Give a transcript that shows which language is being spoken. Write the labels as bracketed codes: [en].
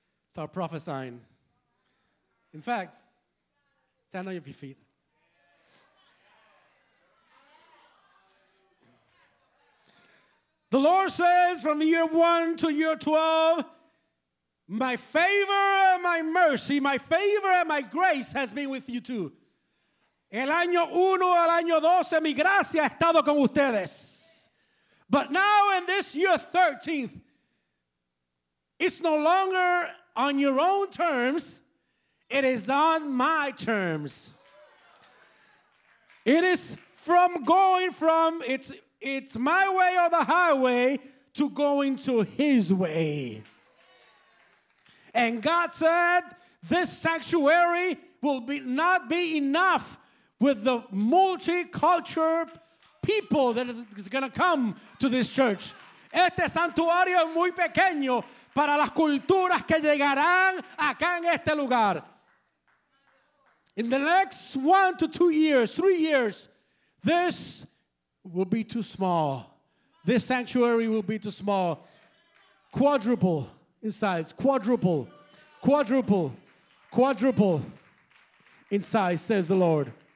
[en] Start prophesying. In fact, stand on your feet. The Lord says from year 1 to year 12, my favor and my mercy, my favor and my grace has been with you too. [es] El año 1 al año 12, mi gracia ha estado con ustedes. [en] But now in this year 13th, it's no longer on your own terms. It is on my terms. It is from going from it's my way or the highway to going to his way. And God said, this sanctuary will not be enough with the multicultural people that is going to come to this church. [es] Este santuario es muy pequeño para las culturas que llegarán acá en este lugar. [en] In the next 1 to 2 years, 3 years, this will be too small. This sanctuary will be too small. Quadruple in size, quadruple, quadruple, quadruple in size, says the Lord.